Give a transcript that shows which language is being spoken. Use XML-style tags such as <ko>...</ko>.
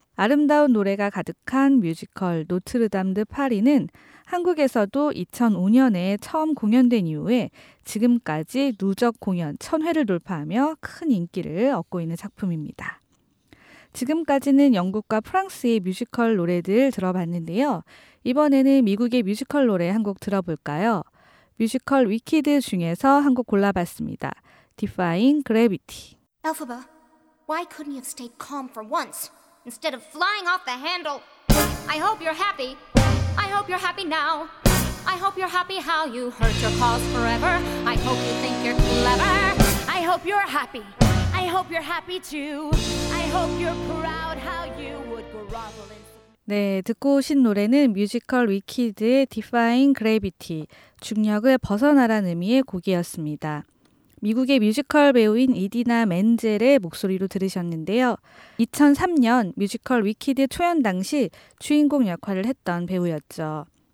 <ko>아름다운 노래가 가득한 뮤지컬 노트르담 드 파리는 한국에서도 2005년에 처음 공연된 이후에 지금까지 누적 공연 1000회를 돌파하며 큰 인기를 얻고 있는 작품입니다. 지금까지는 영국과 프랑스의 뮤지컬 노래들 들어봤는데요. 이번에는 미국의 뮤지컬 노래 한 곡 들어볼까요? 뮤지컬 위키드 중에서 한 곡 골라봤습니다.</ko> <en>Defying Gravity. Elphaba, why couldn't you have stayed calm for once? Instead of flying off the handle, I hope you're happy. I hope you're happy now. I hope you're happy how you hurt your cause forever. I hope you think you're clever. I hope you're happy. I hope you're happy too. I hope you're proud how you would grovel in.</en> <ko>네, 듣고 오신 노래는 뮤지컬 위키드의 Defying Gravity, 중력을 벗어나란 의미의 곡이었습니다. 미국의 뮤지컬 배우인 이디나 맨젤의 목소리로 들으셨는데요. 2003년 뮤지컬 위키드 초연 당시 주인공 역할을 했던 배우였죠.</ko>